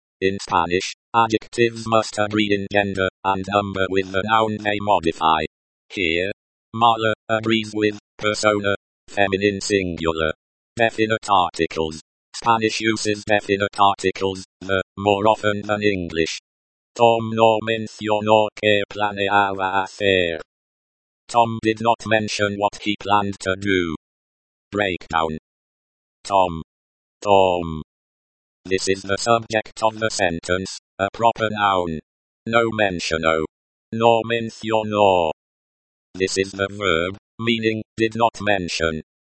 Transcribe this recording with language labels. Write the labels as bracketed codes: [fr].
[en] In Spanish, adjectives must agree in gender and number with the noun they modify. Here, mala agrees with persona, feminine singular. Definite articles. Spanish uses definite articles, the, more often than English. [es] Tom no mencionó que planeaba hacer. [en] Tom did not mention what he planned to do. Breakdown. Tom. Tom. This is the subject of the sentence, a proper noun. [es] No mencionó. No mencionó. [en] This is the verb, meaning, did not mention.